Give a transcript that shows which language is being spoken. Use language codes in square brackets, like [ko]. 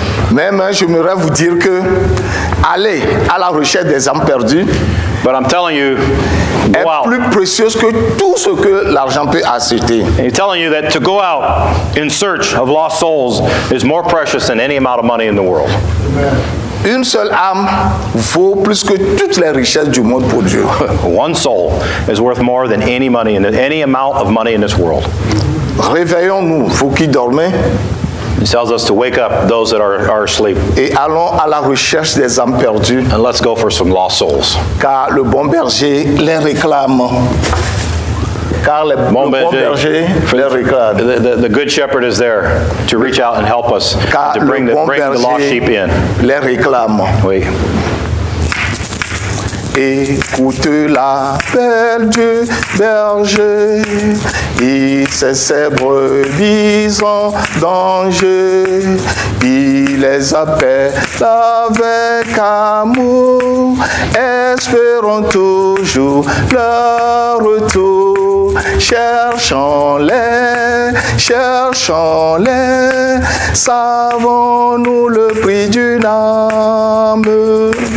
[fr] Même je voudrais vous dire que aller à la recherche des âmes perdues. [en] But I'm telling you, [fr] est [en] wow. [fr] plus précieuse que tout ce que l'argent peut acheter. [en] And he's telling you that to go out in search of lost souls is more precious than any amount of money in the world. [fr] Une seule âme vaut plus que toutes les richesses du monde pour Dieu. [en] One soul is worth more than any money in any amount of money in this world. [fr] Réveillons-nous, vous qui dormez. [en] He tells us to wake up those that are asleep. [fr] Et allons à la recherche des âmes perdues. [en] And let's go for some lost souls. [fr] Car le bon berger les réclame. Car le bon berger les réclame. [en] The good shepherd is there to reach out and help us to bring the lost sheep in. [fr] Les réclame. Oui. Écoute l'appel du berger, il sait ses brebis en danger, il les appelle avec amour, espérant toujours leur retour, cherchons-les, savons-nous le prix d'une âme?